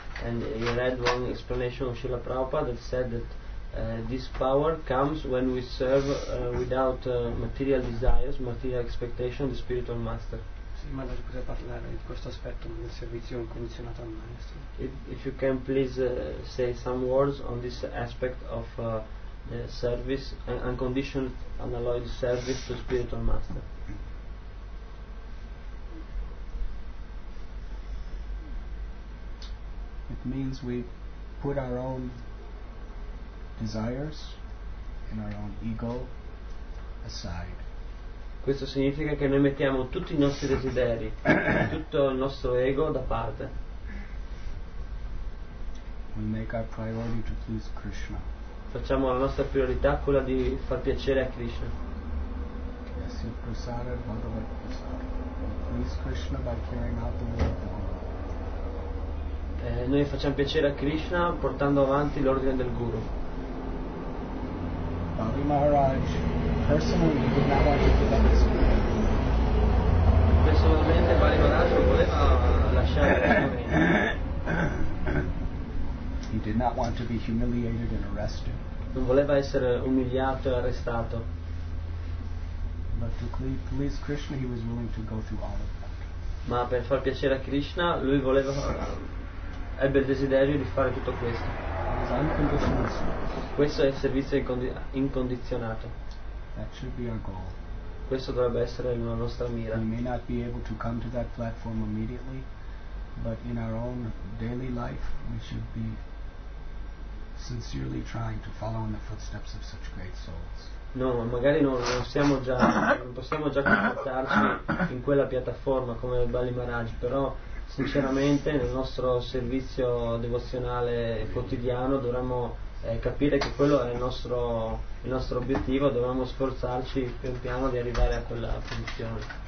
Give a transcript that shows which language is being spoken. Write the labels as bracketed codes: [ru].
[en] And you read one explanation of Srila Prabhupada that said that this power comes when we serve without material desires, material expectation, the spiritual master. [it] Sì, ma lei poteva parlare di questo aspetto del servizio incondizionato al maestro. [en] If you can please say some words on this aspect of service, unconditioned unalloyed service to spiritual master. It means we put our own desires and our own ego aside. [it] Questo significa che noi mettiamo tutti i nostri desideri, tutto il nostro ego da parte. [en] We make our priority to please Krishna. [it] Facciamo la nostra priorità quella di far piacere a Krishna. [en] Yes, you prasada, Bhagavad Prasada. Please Krishna by carrying out the will of the Guru. [it] Noi facciamo piacere a Krishna portando avanti l'ordine del Guru. [en] Bhavi Maharaj, personally, did not want to give up his [it] freedom. Personalmente, Bhavi Maharaj voleva lasciare la sua [en] vita. He did not want to be humiliated and arrested. [it] Non voleva essere umiliato e arrestato. [en] But to please Krishna, he was willing to go through all of that. [it] Ma per far piacere a Krishna, lui voleva... ebbe il desiderio di fare tutto questo. Questo è il servizio incondizionato. [en] That should be our goal. [it] Questo dovrebbe essere la nostra mira. [en] We may not be able to come to that platform immediately, but in our own daily life we should be sincerely trying to follow in the footsteps of such great souls. [it] No, ma magari non possiamo già comportarci in quella piattaforma come Bali Maharaj, però sinceramente nel nostro servizio devozionale quotidiano dovremmo capire che quello è il nostro obiettivo, dovremmo sforzarci pian piano di arrivare a quella posizione.